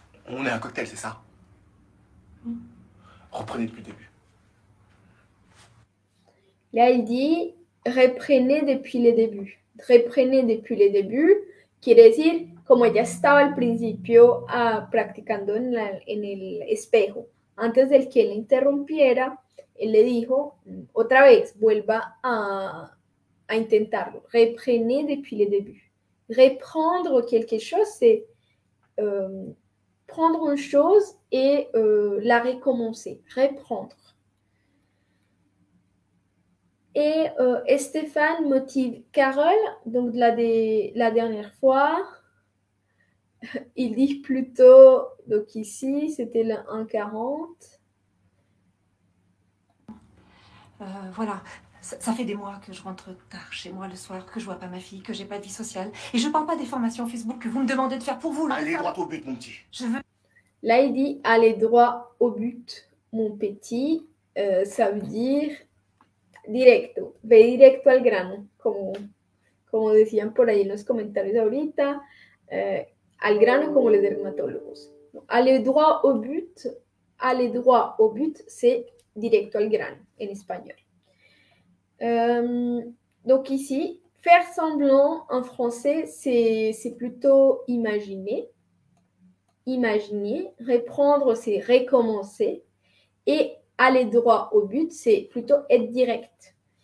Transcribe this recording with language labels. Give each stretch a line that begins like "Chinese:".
French: On est un cocktail, c'est ça? Reprenez depuis le début. Là, il dit reprenez depuis les débuts. Reprenez depuis les débuts,
Spanish: quiere decir como ella estaba al principio practicando en el espejo. Antes de que él interrumpiera, él le dijo otra vez, vuelva a intentarlo.
French: Reprenez depuis les débuts. Reprendre quelque chose, c'est prendre une chose et la recommencer. Reprendre. Et Stéphane motive Carole, donc la dernière fois. Il dit plutôt, donc ici, c'était le 1,40. Voilà, ça fait des mois que je rentre tard chez moi le soir, que je vois pas ma fille, que j'ai pas de vie sociale. Et je parle pas des formations Facebook que vous me demandez de faire pour vous, là. Allez droit au but, mon petit. Je veux. Là, il dit aller droit au but, mon petit. Ça veut dire
Spanish: directo, ve directo al grano, como decían por ahí en los comentarios ahorita, al grano como les dermatólogos.
French: Aller droit au but, aller droit au but, c'est
Spanish: directo al grano en español.
French: Donc ici, faire semblant en français, c'est plutôt imaginer. Imaginer, reprendre, c'est recommencer. Et aller droit au but, c'est plutôt être direct.